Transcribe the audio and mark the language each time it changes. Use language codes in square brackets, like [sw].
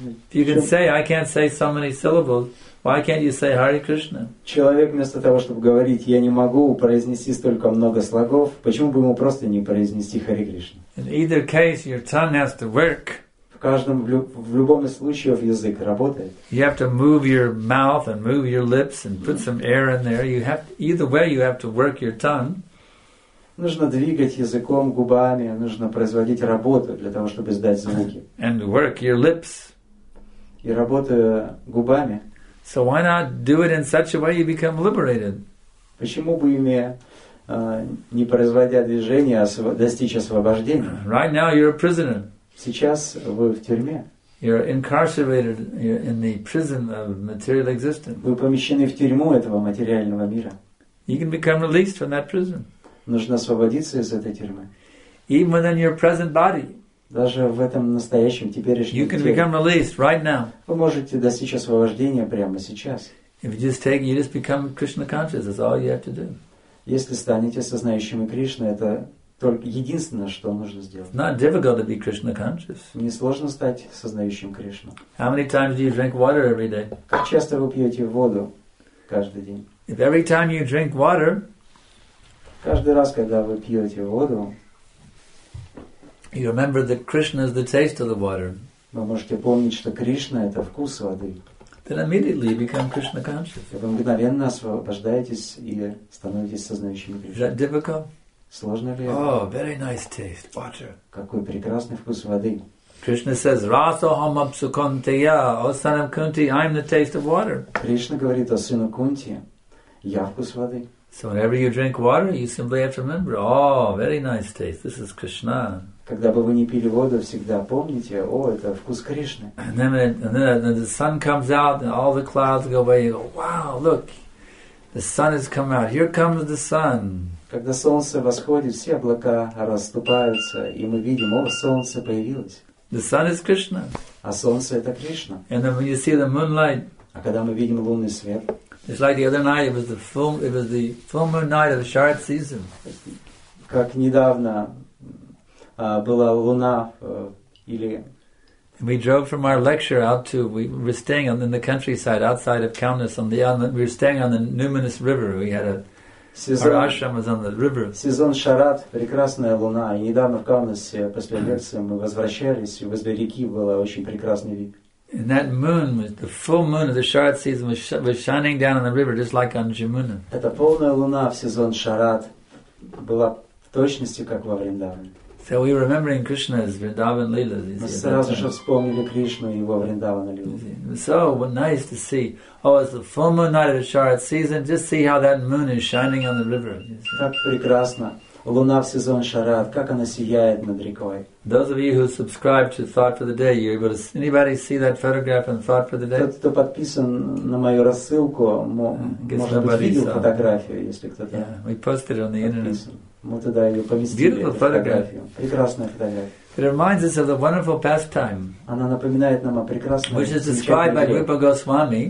[en] You can say, I can't say so many syllables. Why can't you say Hare Krishna? [ru] Человек вместо того, чтобы говорить, я не могу произнести столько много слогов, почему бы ему просто не произнести Hare Krishna? [en] In either case, your tongue has to work. [ru] В любом из случаев язык работает. [en] You have to move your mouth and move your lips and put some air in there. Either way, you have to work your tongue. [ru] Нужно двигать языком, губами, нужно производить работу для того, чтобы издать звуки. [en] And work your lips. [ru] И работая губами. [en] So why not do it in such a way you become liberated? [ru] Почему бы ими не производя движения, достичь освобождения? [en] Right now you're a prisoner. [ru] Сейчас вы в тюрьме. [en] You're incarcerated in the prison of material existence. [ru] Вы помещены в тюрьму этого материального мира. [en] You can become released from that prison. [ru] Нужно освободиться из этой тюрьмы. [en] Even in your present body. [ru] Даже в этом настоящем, теперешнем теле. [en] Become released right now. [ru] Вы можете достичь освобождения прямо сейчас. [en] If you just take, you just become Krishna conscious. That's all you have to do. [ru] Если станете сознающим Кришны, это только единственное, что нужно сделать. [en] Not difficult to be Krishna conscious. [ru] Не сложно стать сознающим Кришну. [en] How many times do you drink water every day? [ru] Как часто вы пьете воду каждый день? [en] If every time you drink water. [ru] Каждый раз, когда вы пьете воду. [en] You remember that Krishna is the taste of the water. [ru] Вы можете помнить, что Кришна это вкус воды. [en] Then immediately you become Krishna conscious. [ru] Вы мгновенно освобождаетесь и становитесь сознающим Кришной. [en] Is that difficult? [ru] Сложно ли? [en] Oh, very nice taste, water. [ru] Какой прекрасный вкус воды. [en] Krishna says, [sa] "Rasoham apsukanteya, [en] O son of Kunti, I am the taste of water." [ru] Кришна говорит о сыне Кунти, я вкус воды. [en] So whenever you drink water, you simply have to remember, oh, very nice taste. This is Krishna. [ru] Когда бы вы не пили воду, всегда помните, о, это вкус Кришны. [en] And then the sun comes out, and all the clouds go away. You go, wow, look, the sun has come out. Here comes the sun. [ru] Когда солнце восходит, все облака расступаются, и мы видим, о, солнце появилось. [en] The sun is Krishna. [ru] А солнце это Кришна. [en] And then when you see the moonlight. [ru] А когда мы видим лунный свет. [en] It's like the other night. It was the full moon night of the Sharad season. [ru] Как недавно была луна или. [en] We drove from our lecture out to. We were staying in the countryside outside of Kaunas. We were staying on the Numinous River. We had a [ru] сезон, [en] our ashram was on the river. [ru] Сезон Шарад, прекрасная луна. И недавно в Каунасе после лекции мы возвращались, и возле реки была очень прекрасный вид. [en] And that moon, the full moon of the Sharad season, was shining down on the river, just like on Jamuna. [ru] Эта полная луна в сезон Шарад была в точности как во Вриндаване. [en] So we were remembering Krishna's Vrindavan Leela. [ru] Мы сразу же вспомнили Кришну и его Вриндавана Лилу. [en] So nice to see. Oh, it's the full moon night of the Sharad season. Just see how that moon is shining on the river. [ru] Так прекрасно. Луна в сезон Шарад, как она сияет над рекой. [en] Those of you who subscribe to Thought for the Day, you able to anybody see that photograph in Thought for the Day? [ru] Тот, кто подписан на мою рассылку, может быть, видел фотографию, если кто-то. [en] Yeah, we posted it on the internet. [ru] Мы тогда ее поместили. [en] Beautiful photograph. [ru] Прекрасная фотография. [en] It reminds us of the wonderful pastime. [ru] Она напоминает нам о прекрасном. [en] Which is described by Rupa Goswami.